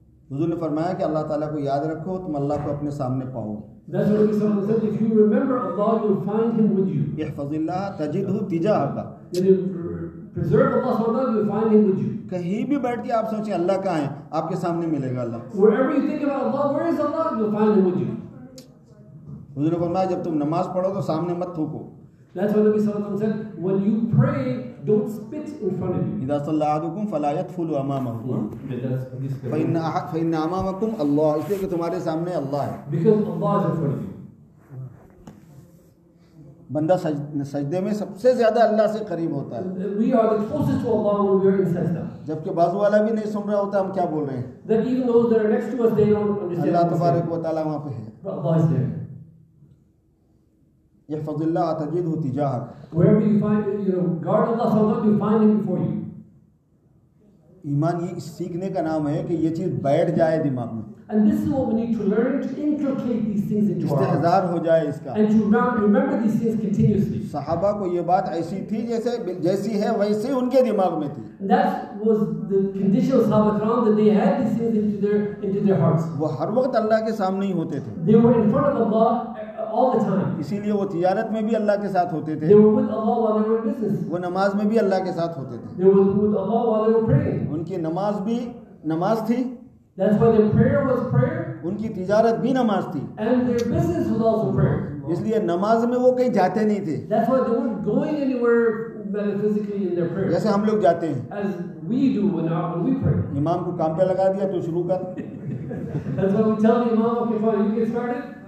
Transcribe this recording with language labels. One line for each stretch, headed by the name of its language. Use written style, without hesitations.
Urdu: حضور نے فرمایا کہ اللہ تعالیٰ کو یاد رکھو, تم اللہ کو اپنے سامنے پاؤ گے.
Arabic: احفظ اللہ تجدہ تجاہک.
English: Preserve Allah so that you find him with you.
Urdu: کہیں بھی بیٹھ کے آپ سوچیں اللہ کہاں ہے, آپ کے سامنے ملے گا اللہ.
English: Wherever you think about Allah, where is Allah? You'll find him with you.
Urdu: حضور نے فرمایا جب تم نماز پڑھو تو سامنے مت تھوکو.
English: That's why Nabi Sallallahu Alaihi Wasallam said, when you pray, don't spit in front of you.
Arabic: اذا صلى احدكم فلا يطفل امامه. فان احد فان امامكم الله.
Urdu: اس لیے کہ تمہارے سامنے اللہ ہے.
English: Because Allah is in front of you.
Urdu: بندہ سجدے میں سب سے زیادہ اللہ سے قریب ہوتا ہے.
English: We are the closest to Allah when we are in sajda.
Urdu: جبکہ بازو والا بھی نہیں سن رہا ہوتا ہم کیا بول رہے ہیں.
English: That even those that are next to us, they don't understand.
Urdu: اللہ تبارک و تعالی وہاں پہ ہے.
English: Allah is there.
Arabic: يحفظ الله تجده تجاهك.
English: Wherever you find, you know, guard Allah so that you find him before you.
Urdu: ایمان یہ سیکھنے کا نام ہے کہ یہ چیز بیٹھ جائے دماغ میں.
English: And this is what we need to learn to inculcate these things into our heart.
Urdu: استحضار ہو جائے اس کا.
English: And to remember these things continuously.
Urdu: صحابہ کو یہ بات ایسی تھی جیسی ہے ویسے ان کے دماغ میں تھی.
English: That was the condition of Sahaba Kiram, that they had these things into their hearts.
Urdu: وہ ہر وقت اللہ کے سامنے ہی ہوتے تھے.
English: They were in front of Allah all the time.
Urdu: اسی لیے وہ تجارت میں بھی اللہ کے ساتھ ہوتے تھے.
English: They were with Allah while they were in business.
Urdu: وہ نماز میں بھی اللہ کے ساتھ ہوتے تھے.
English: They were with Allah while they were praying.
Urdu: ان کی نماز بھی نماز تھی.
English: That's why their prayer was prayer.
Urdu: ان کی تجارت بھی نماز تھی.
English: And their business was also prayer.
Urdu: اس لیے نماز میں وہ کہیں جاتے نہیں تھے.
English: That's why they weren't going anywhere metaphysically in their prayer.
Urdu: جیسے ہم لوگ جاتے ہیں.
English: As we do when we pray.
Urdu: امام کو کام پہ لگا دیا تو شروع کر.
English: That's why we tell the imam, okay, fine, you get started.